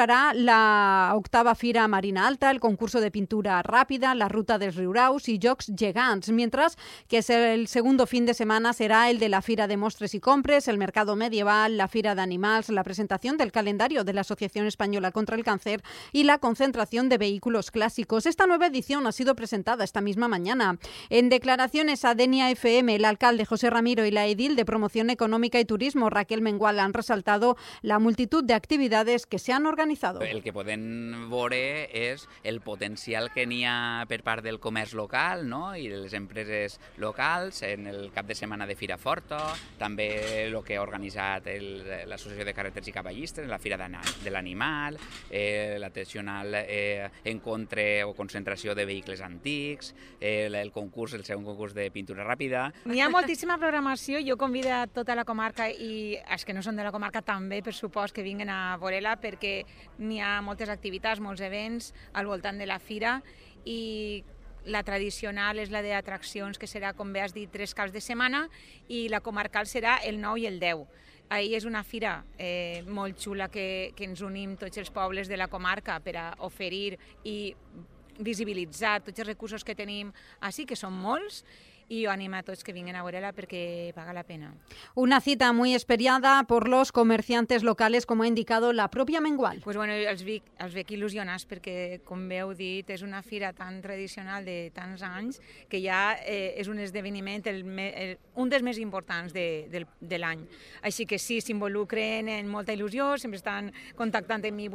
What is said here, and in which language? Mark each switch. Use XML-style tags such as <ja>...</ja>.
<es>celebrará la octava Fira Marina Alta, el concurso de pintura rápida, la ruta de Riuraus y Jocs Gegants, mientras que es el segundo fin de semana será el de la Fira de Mostres y Compres, el Mercado Medieval, la Fira de Animals, la presentación del calendario de la Asociación Española contra el Cáncer y la concentración de vehículos clásicos. Esta nueva edición ha sido presentada esta misma mañana. En declaraciones a Denia FM, el alcalde José Ramiro y la edil de Promoción Económica y Turismo, Raquel Mengual, han resaltado la multitud de actividades que se han organizado.</es> <ca>El que podem veure és el potencial que n'hi ha per part del comerç local, no? I de les empreses locals en el cap de setmana de Fira Forta, també el que ha organitzat l'Associació de Carreters i Cavallistes, la Fira de l'Animal, l'atencional encontre o concentració de vehicles antics, el concurs, el segon concurs de pintura ràpida. N'hi ha moltíssima programació, jo convido tota la comarca i els que no són de la comarca també, per supost, que vinguin a veure-la, perquè n'hi ha moltes activitats, molts events al voltant de la fira i la tradicional és la d'atraccions, que serà, com bé has dit, tres caps de setmana i la comarcal serà el 9 i el 10. Ahir és una fira molt xula que ens unim tots els pobles de la comarca per a oferir i visibilitzar tots els recursos que tenim així, que són molts,</ca> <es>y yo animo a todos que vengan a verla porque paga la pena. Una cita muy esperada por los comerciantes locales, como ha indicado la propia Mengual.</es> <ca>Pues bueno, els veig il·lusionats perquè, com bé heu dit, és una fira tan tradicional de tants anys que ja és un esdeveniment, un dels més importants de l'any. Així que sí, s'involucren en molta il·lusió, sempre estan contactant amb mi.</ca>